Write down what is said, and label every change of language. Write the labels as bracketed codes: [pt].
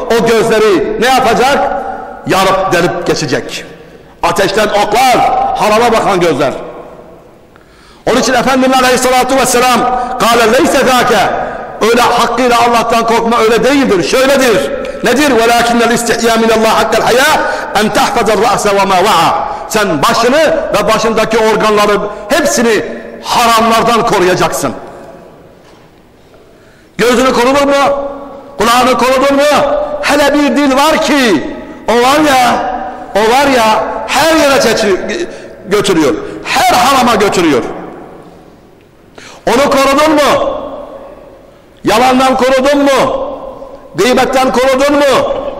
[tr] o gözleri ne yapacak? Yarıp delip geçecek. Ateşten oklar, harama bakan gözler. Onun için Efendimiz Aleyhisselatü Vesselam [ar] قَالَ لَيْسَ ذَاكَ [tr] öyle hakkıyla Allah'tan korkma öyle değildir, şöyledir. Nedir? [ar] وَلَاكِنَّ الْاِسْتِحْيَا مِنَ اللّٰهِ حَقَّ الْحَيَاءِ اَنْ تَحْفَذَ الرَّأْسَ وَمَا وَعَى [tr] sen başını ve başındaki organları hepsini haramlardan koruyacaksın. Gözünü korunur mu? Kulağını korunur mu? Hele bir dil var ki o var ya, o var ya her yere götürüyor. Her harama götürüyor. Onu korudun mu? Yalandan korudun mu? Gıybetten korudun mu?